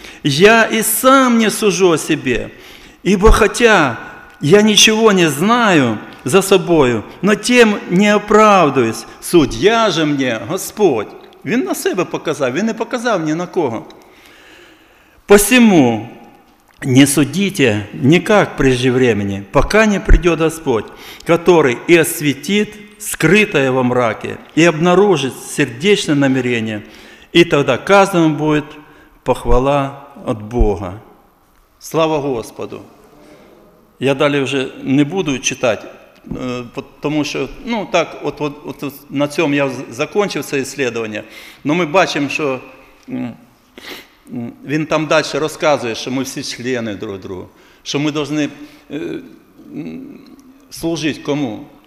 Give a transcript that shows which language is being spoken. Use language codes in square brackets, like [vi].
[ru] Я и сам не сужу о себе, ибо хотя я ничего не знаю за собою, но тем не оправдываюсь. Судья же мне Господь. [uk] Він на себе показав, він не показав ні на кого. [ru] Посему не судите никак прежде времени, пока не придет Господь, который и освятит скрытое во мраке, и обнаружит сердечное намерение, и тогда каждому будет похвала от Бога. [uk] Слава Господу! Я далі вже не буду читати, тому що, ну так, от на цьому я закінчив це дослідження, але ми бачимо, що він там далі розказує, що ми всі члени друг другу, що ми повинні служити кому?